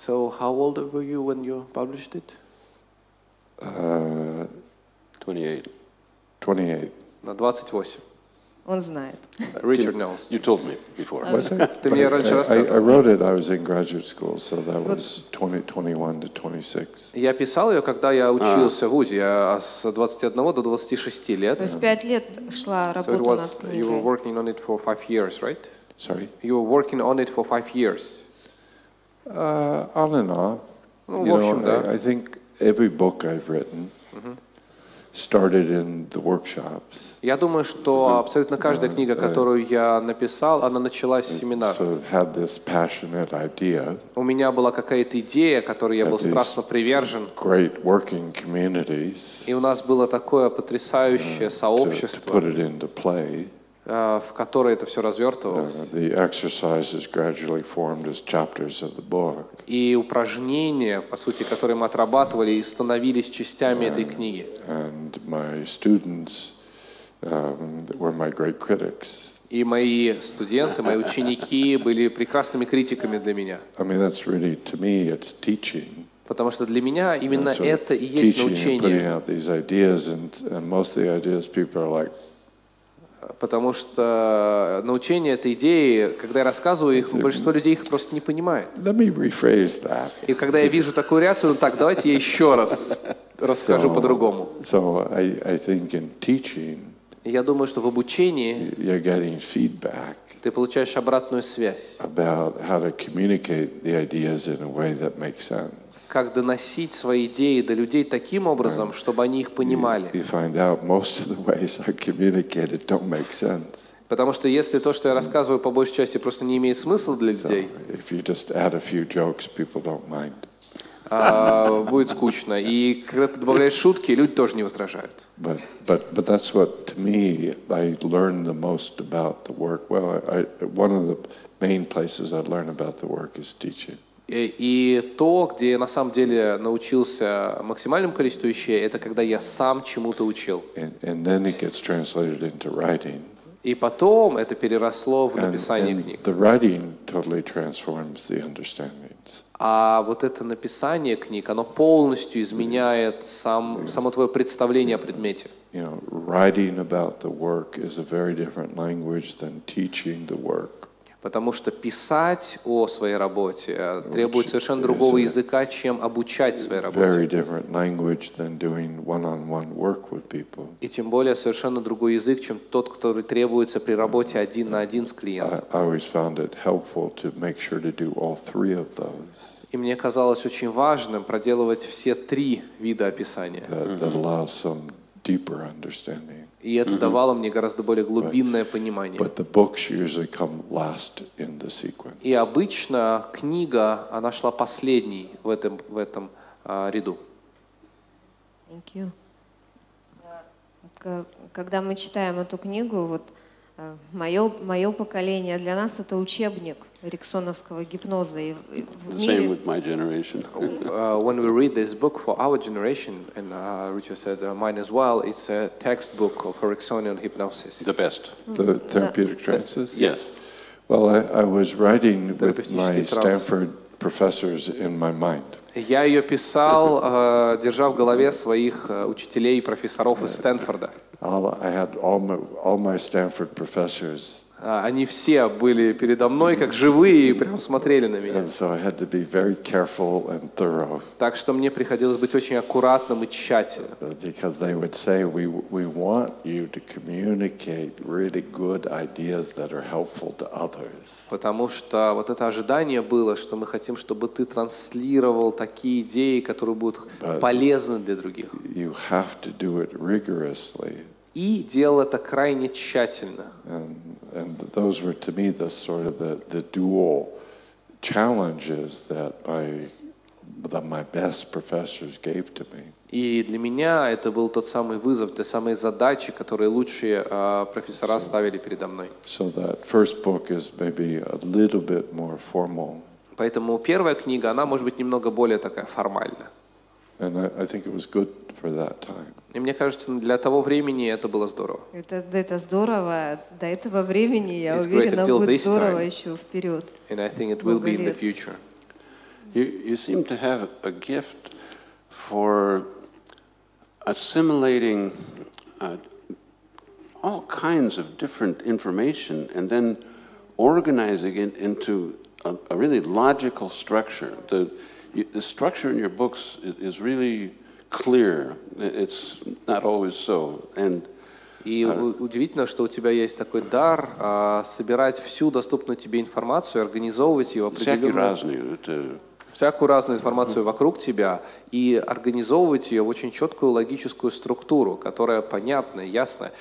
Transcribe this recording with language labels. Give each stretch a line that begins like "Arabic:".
English: So how old were you when you published it? 28.
Russian: На 28. Он знает.
English: Richard knows. You told me before. Was it?
Russian: Ты мне раньше рассказывал.
English: I wrote it, I was in graduate school, so that was 21 to 26.
Russian: Я писал ее, когда я учился в УЗИ, с 21 до 26 лет. То есть 5 лет шла работа над книгой.
English: So you were working on it for 5 years, right? Sorry? You were working on it for 5 years. On and off.
Russian: Ну, в общем, да.
English: I think every book I've written started in the workshops.
Russian: Я думаю, что абсолютно каждая книга, которую я написал, она началась с семинара.
English: So had this passionate idea.
Russian: У меня была какая-то идея, которой я был страстно привержен.
English: Great working communities.
Russian: И у нас было такое потрясающее сообщество.
English: To put it into play.
Russian: В которой это все развертывалось.
English: The exercises gradually formed as chapters of the book.
Russian: И упражнения, по сути, которые мы отрабатывали, и становились частями этой книги.
English: And my students were my great critics.
Russian: И мои студенты, мои ученики были прекрасными критиками для меня.
English: I mean, that's really, to me, it's teaching.
Russian: Потому что для меня именно это и есть научение.
English: Teaching and putting out these ideas, and most of the ideas people are like,
Russian: потому что научение этой идеи, когда я рассказываю их, большинство людей их просто не понимает.
English: Let me rephrase that.
Russian: И когда я вижу такую реакцию, ну так, давайте я еще раз расскажу по-другому.
English: So I think in teaching,
Russian: я думаю, что в обучении
English: you're getting feedback,
Russian: ты получаешь обратную связь
English: about how to communicate the ideas in a way that makes sense.
Russian: Как доносить свои идеи до людей таким образом, and чтобы они их понимали.
English: You find out most of the ways I communicate it don't make sense.
Russian: Потому что если то, что я рассказываю, по большей части просто не имеет смысла для людей,
English: if you just add a few jokes, people don't mind.
Russian: Будет скучно. И когда ты добавляешь шутки, люди тоже не возражают.
English: But that's what, to me, I learn the most about the work. Well, one of the main places I learn about the work is teaching.
Russian: И то, где я на самом деле научился максимальному количеству вещей, это когда я сам чему-то учил.
English: And then it gets translated into writing.
Russian: И потом это переросло в написание книг.
English: The writing totally transforms the understandings.
Russian: А вот это написание книг, оно полностью изменяет само твое представление о предмете.
English: You know, writing about the work is a very different language than teaching the work.
Russian: Потому что писать о своей работе требует совершенно другого языка, чем обучать своей работе.
English: Very different language than doing one-on-one work with people.
Russian: И тем более совершенно другой язык, чем тот, который требуется при работе один на один с клиентом.
English: I always found it helpful to make sure to do all three of those.
Russian: И мне казалось очень важным проделывать все три вида описания.
English: That allows some deeper understanding.
Russian: И это давало мне гораздо более глубинное понимание.
English: But the books usually come last in the sequence.
Russian: И обычно книга, она шла последней в этом ряду.
English: Thank you.
Russian: Когда мы читаем эту книгу, вот мое поколение, для нас это учебник эриксоновского гипноза.
English: Same with my generation. When we read this book for our generation, and Richard said mine as well, it's a textbook of Ericksonian hypnosis. The best. The therapeutic trances? Yes. Well, I was writing with my Stanford professors in my mind.
Russian: Я ее писал, держа в голове своих учителей и профессоров из Стэнфорда.
English: I had all my Stanford professors.
Russian: Они все были передо мной как живые и прямо смотрели на меня.
English: And so I had to be very careful and thorough.
Russian: Так что мне приходилось быть очень аккуратным и тщательным.
English: Because they would say we want you to communicate really good ideas that are helpful to others.
Russian: Потому что вот это ожидание было, что мы хотим, чтобы ты транслировал такие идеи, которые будут полезны для других.
English: You have to do it rigorously.
Russian: И делал это крайне тщательно.
English: And those were to me the sort of the dual challenges that my best professors gave to me.
Russian: И для меня это был тот самый вызов, те самые задачи, которые лучшие профессора ставили передо мной.
English: So that first book is maybe a little bit more formal.
Russian: Поэтому первая книга, она может быть немного более такая формальная.
English: And I think it was good for that time.
Russian: И мне кажется, для того времени это было здорово. Это здорово. До этого времени, я уверена, будет здорово еще вперед.
English: And I think it will be in the future. You seem to have a gift for assimilating all kinds of different information and then organizing it into a really logical structure. The structure in your books is really clear. It's not always so. And
Russian: удивительно, что у тебя есть такой дар собирать всю доступную тебе информацию, организовывать ее определенно. Всякую разную информацию вокруг тебя и организовывать ее в очень четкую логическую структуру, которая понятна, ясна.